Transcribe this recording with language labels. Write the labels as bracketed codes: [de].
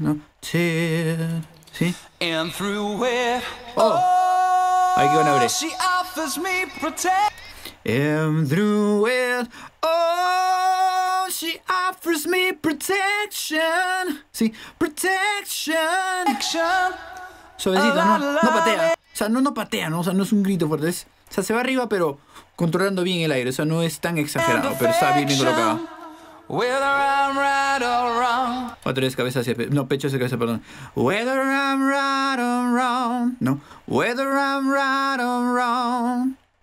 [es] No, tear. Sí. [en] And through it, oh, oh, she offers me protection. And through it, oh, she offers me protection. [es] Sí, protection. [en] Action. [es] Suavecito, no, no patea. O sea, no, no patea, ¿no? O sea, no es un grito fuerte. Es, o sea, se va arriba, pero controlando bien el aire. O sea, no es tan exagerado, pero está bien colocado. [en] Whether I'm right or wrong. [es] Otra vez cabeza hacia pecho. No, pecho hacia cabeza, perdón. [en] Whether I'm right or wrong. [es] No. [en] Whether I'm right or wrong.